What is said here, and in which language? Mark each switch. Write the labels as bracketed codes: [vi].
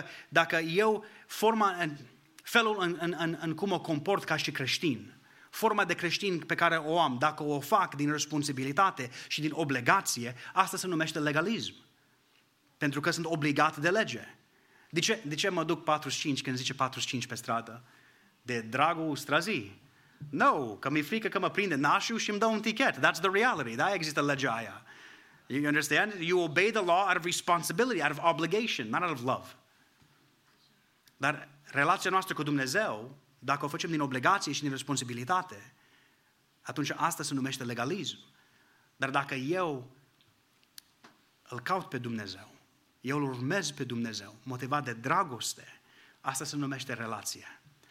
[ro] Dacă eu, felul în cum mă comport ca și creștin, forma de creștin pe care o am, dacă o fac din responsabilitate și din obligație, asta se numește legalism. Pentru că sunt obligat de lege. De ce mă duc 45 când zice 45 pe stradă? De dragul străzii. No, că mi-e frică că mă prinde nașul și îmi dă un ticket. [en] That's the reality. [ro] Da, există legea aia. [en] You understand? You obey the law out of responsibility, out of obligation, not out of love. [ro] Dar relația noastră cu Dumnezeu, dacă o facem din obligație și din responsabilitate, atunci asta se numește legalism. Dar dacă eu îl caut pe Dumnezeu, eu îl urmez pe Dumnezeu, motivat de dragoste, asta se numește relație.